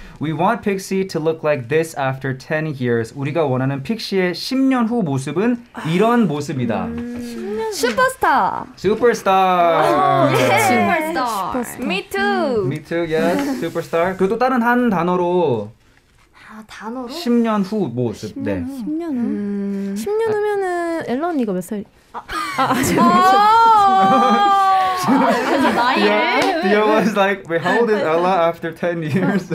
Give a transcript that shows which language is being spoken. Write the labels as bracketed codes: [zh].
[en] We want Pixie to look like this after 10 years. [ko] 우리가 원하는 픽시의 10년 후 모습은 이런 모습이다. 슈퍼스타. 슈퍼스타. [en] 슈퍼스타. Me too. Me too. Yes. 슈퍼스타. [ko] 그리고 또 다른 한 단어로. 단어로? 10년 후 모습. 10년 네. 후? 10년 후? 10년 후면은 앨런 언니가 몇 살? 나이를? [en] Yeah, was like, wait, how old is Ella after 10 years?